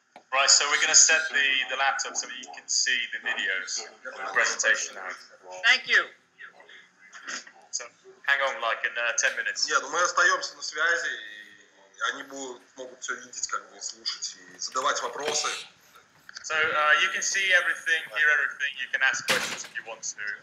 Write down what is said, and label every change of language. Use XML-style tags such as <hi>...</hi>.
<en>Right, so we're going to set the laptop so you can see the videos for the presentation now. Thank you. So hang on like in 10 minutes.</en> <ru>Нет, мы остаемся на связи, и они могут все видеть, как бы слушать и задавать вопросы.</ru> <en>So you can see everything, hear everything, you can ask questions if you want to.</en>